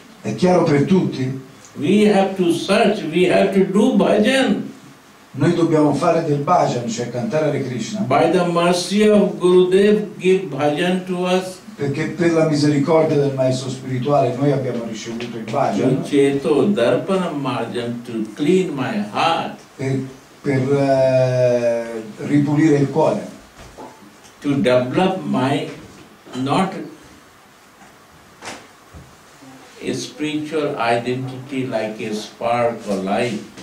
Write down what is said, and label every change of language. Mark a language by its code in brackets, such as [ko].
[it] È chiaro per tutti? [en] We have to search, we have to do bhajan. [it] Noi dobbiamo fare del bhajan, cioè cantare Hare Krishna. [en] By the mercy of Gurudev, give bhajan to us. [it] Perché per la misericordia del maestro spirituale noi abbiamo ricevuto il bhajan. [en] Uccheto darpana bhajan to clean my heart. [it] Per ripulire il cuore. [en] To develop my not a spiritual identity like a spark or light.